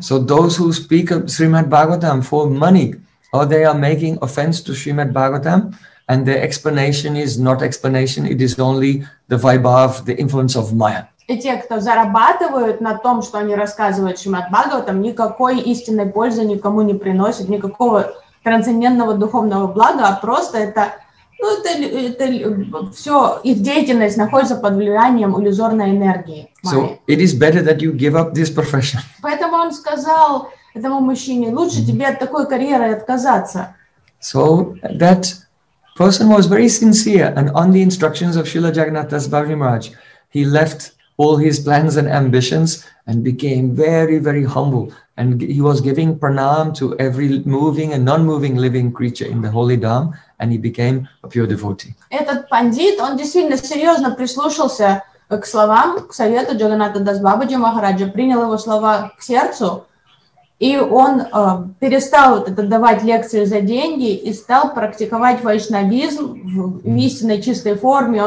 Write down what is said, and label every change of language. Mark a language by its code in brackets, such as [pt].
[en] So those who speak of Srimad Bhagavatam for money, or they are making offense to Srimad Bhagavatam, and their explanation is not explanation, it is only the vibhav, the influence of Maya. [ru] И те, кто зарабатывают на том, что они рассказывают Srimad Bhagavatam, никакой истинной пользы никому не приносят, никакого трансцендентного духовного блага, а просто это, ну, это все, их деятельность находится под влиянием иллюзорной энергии. [en] So it is better that you give up this profession. [ru] Поэтому он сказал этому мужчине, лучше тебе от такой карьеры отказаться. [en] So that person was very sincere, and on the instructions of Srila Jagannatha's Babaji Maharaj, he left all his plans and ambitions and became very, very humble. And he was giving pranam to every moving and non-moving living creature in the holy dham, and he became a pure devotee. [ru] Этот пандит, он действительно серьезно прислушался к словам, к совету Джаганнатха Дас Бабаджи Махараджа, принял его слова к сердцу, и он перестал давать лекции за деньги и стал практиковать вайшнавизм в истинной чистой форме.